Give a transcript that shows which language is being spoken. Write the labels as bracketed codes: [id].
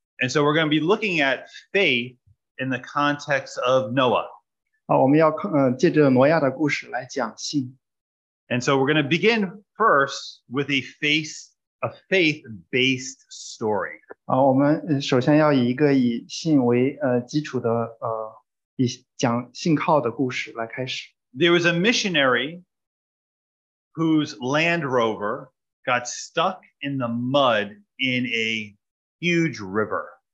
[en] And so we're going to be looking at faith in the context of Noah. [zh] 我们要借着挪亚的故事来讲信。 [en] And so we're going to begin first with a faith-based story. [zh] 我们首先要以一个以信为基础的讲信靠的故事来开始。 [en] There was a missionary whose Land Rover got stuck in the mud in a huge river.